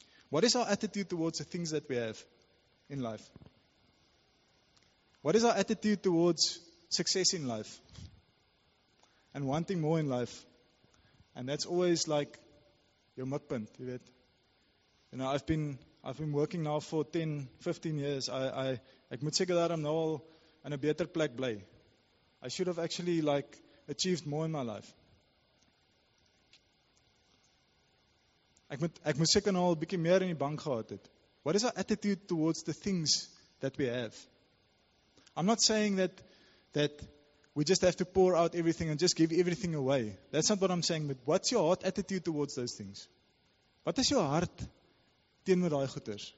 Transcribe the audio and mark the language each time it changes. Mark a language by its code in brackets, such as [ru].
[en] What is our attitude towards the things that we have in life? What is our attitude towards success in life? And wanting more in life? And that's always like your mukpunt. You know, I've been working now for 10, 15 years. [af] I ek moet seker daar om nou al in 'n beter plek bly. [en] I should have actually like achieved more in my life. [af] Ek moet seker nou al 'n bietjie meer in die bank gehad het. [en] What is our attitude towards the things that we have? I'm not saying that we just have to pour out everything and just give everything away. That's not what I'm saying, but what's your heart attitude towards those things? [af] Wat is jou hart teenoor daai goeders?